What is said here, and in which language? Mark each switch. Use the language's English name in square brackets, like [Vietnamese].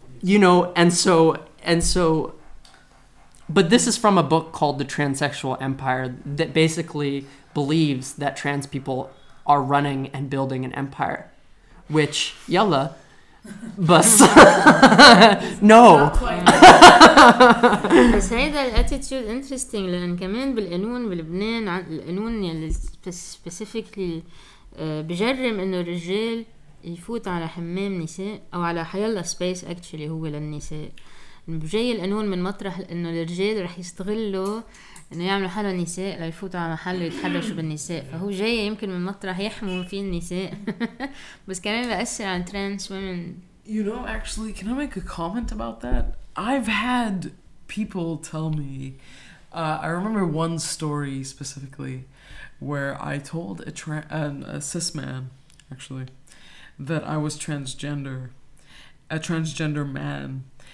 [English] You know, and so, but this is from a book called The Transsexual Empire that basically believes that trans people are running and building an empire, which, yalla, but no. [Arabic] بس هيدا [English] الاتيتيود انترستينج [Arabic] لان كمان بالقانون بلبنان القانون يلي [English] specifically [Arabic] بجرم انه الرجال يفوت على حمام نساء او على حيالله سبيس [English] actually [Arabic] هو للنساء جاي القانون من مطرح انه الرجال رح يستغلوا إنه يعملوا حلو النساء ليفوتوا على محل ويتحرشوا بالنساء. فهو جاي يمكن من مطرح يحموا فيه النساء بس كمان بأثر عن [English] Trans ومن. You know, actually, can I make a comment about that? I've had people tell me. I remember one story specifically where I told a cis man, actually, that I was transgender, a transgender man.